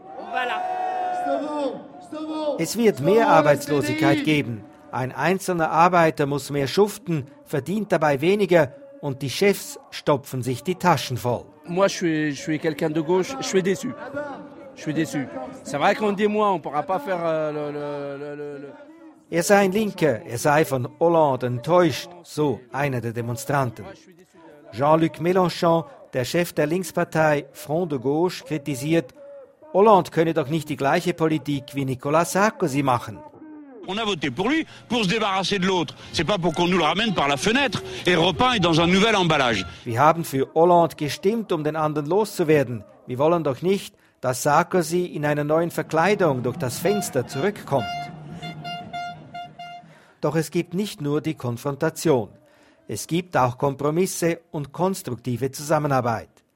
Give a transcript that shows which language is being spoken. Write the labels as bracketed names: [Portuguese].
[French] Voilà. [German] Es wird mehr Arbeitslosigkeit geben. Ein einzelner Arbeiter muss mehr schuften, verdient dabei weniger, und die Chefs stopfen sich die Taschen voll. [French] Moi, je suis quelqu'un de gauche, je suis déçu. Je suis déçu. C'est vrai qu'en 10 mois, on pourra pas faire le... [German] Er sei ein Linker, er sei von Hollande enttäuscht, so einer der Demonstranten. Jean-Luc Mélenchon, der Chef der Linkspartei Front de Gauche, kritisiert, Hollande könne doch nicht die gleiche Politik wie Nicolas Sarkozy machen. [French] On a voté pour lui, pour se débarrasser de l'autre. C'est pas pour qu'on nous le ramène par la fenêtre et repeint dans un nouvel emballage. [German] Wir haben für Hollande gestimmt, um den anderen loszuwerden. Wir wollen doch nicht, dass Sarkozy in einer neuen Verkleidung durch das Fenster zurückkommt. Doch es gibt nicht nur die Konfrontation. Es gibt auch Kompromisse und konstruktive Zusammenarbeit.